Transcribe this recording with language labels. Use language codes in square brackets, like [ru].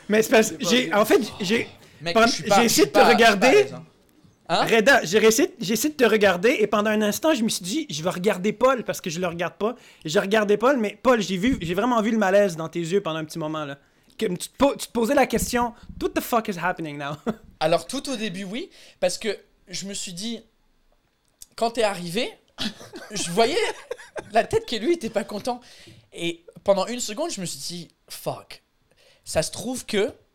[fr] Mais c'est parce que j'ai. Mec, j'ai essayé de te regarder. Hein? Reda, j'ai essayé de te regarder et pendant un instant, je me suis dit, je vais regarder Paul parce que je le regarde pas. J'ai regardé Paul, mais Paul, j'ai vraiment vu le malaise dans tes yeux pendant un petit moment. Là. Tu te posais la question, [en] what the fuck is happening now? [fr] Alors, tout au début, oui, parce que je me suis dit, quand t'es arrivé, je voyais la tête que lui était pas content. Et pendant une seconde, je me suis dit, fuck, ça se trouve que.